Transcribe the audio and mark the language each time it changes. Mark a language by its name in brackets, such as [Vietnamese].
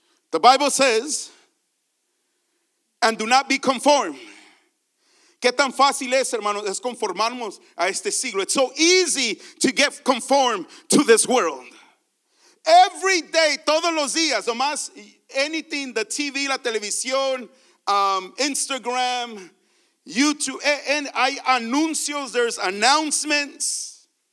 [English] The Bible says, and do not be conformed. [Spanish] ¿Qué tan fácil es, hermanos, es conformarnos a este siglo? [English] It's so easy to get conformed to this world. Every day, [Spanish] todos los días, nomás [English] anything, the TV, [Spanish] la televisión, [English] Instagram, YouTube, and [Spanish] hay anuncios, [English] there's announcements.